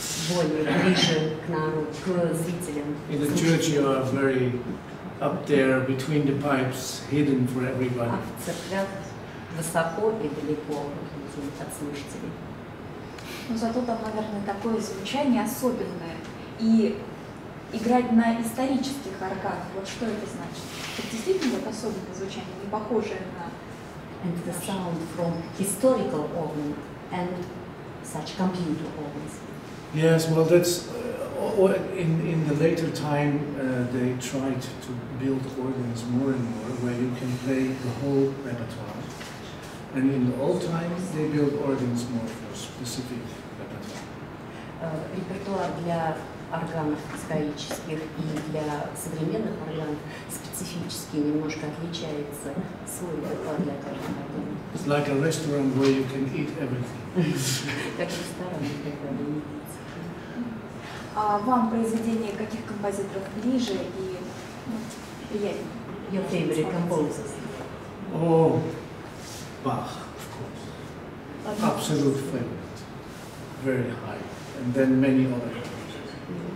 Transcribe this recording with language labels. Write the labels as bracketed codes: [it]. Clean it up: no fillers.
[ru] Более ближе к народу, к зрителям. [en] In the church you are very up there between the pipes, hidden for everybody. [ru] А в церквях высоко и далеко от слушателей. Но зато там, наверное, такое звучание особенное. И играть на исторических органах, вот что это значит? Это действительно особенное звучание, не похожее на... [en] And the sound from historical organ and such computer organs. Yes, well, that's in the later time they tried to build organs more and more where you can play the whole repertoire. And in the old times they built organs more for specific repertoire. [ru] Repertoire для органов исторических и для современных органов специфически немножко отличается свой репертуар для каждого органа. [en] It's like a restaurant where you can eat everything. [ru] Как в ресторане, когда вы едите. А вам произведения каких композиторов ближе и приятнее? [en] Your favorite composers? Oh, Bach, of course. Absolute favorite. Very high. And then many other composers.